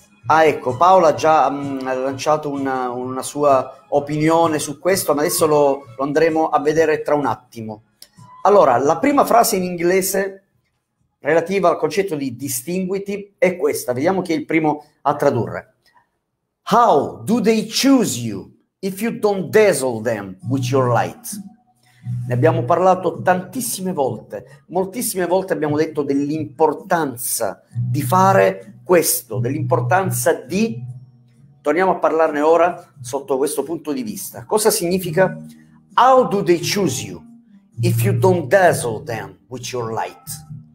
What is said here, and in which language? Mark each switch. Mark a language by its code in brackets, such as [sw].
[it] Ah, ecco, Paola già ha lanciato una sua opinione su questo, ma adesso lo andremo a vedere tra un attimo. Allora, la prima frase in inglese relativa al concetto di distinguiti è questa. Vediamo chi è il primo a tradurre. [en] How do they choose you if you don't dazzle them with your light? [it] Ne abbiamo parlato tantissime volte, moltissime volte abbiamo detto dell'importanza di fare questo, dell'importanza di, torniamo a parlarne ora sotto questo punto di vista. Cosa significa? [en] How do they choose you if you don't dazzle them with your light?